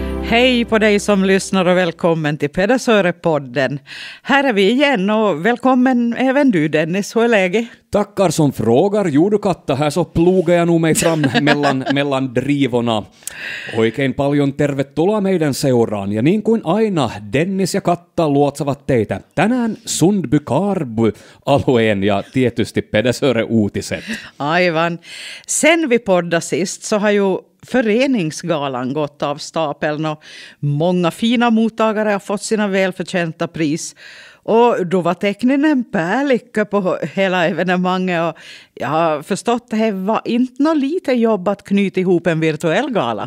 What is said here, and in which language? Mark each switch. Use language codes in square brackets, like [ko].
[sv] Hej på dig som lyssnar och välkommen till Pedasöre-podden. Här är vi igen och välkommen även du Dennis, hur är läget? Tackar som frågar, jordkatta, här så plogar jag nog mig fram mellan drivorna. [fi] Oikein paljon tervetuloa meidän seuraan ja niin kuin aina Dennis ja Katta luotsavat teitä tänään Sundbykarbu-alueen ja tietysti Pedasöre-uutiset. [sv] Aivan, sen vi podda sist så har ju Föreningsgalan gått av stapeln och många fina mottagare har fått sina välförtjänta pris. Och då var teckningen en pärlycka på hela evenemanget och jag har förstått att det var inte något lite jobb att knyta ihop en virtuell gala.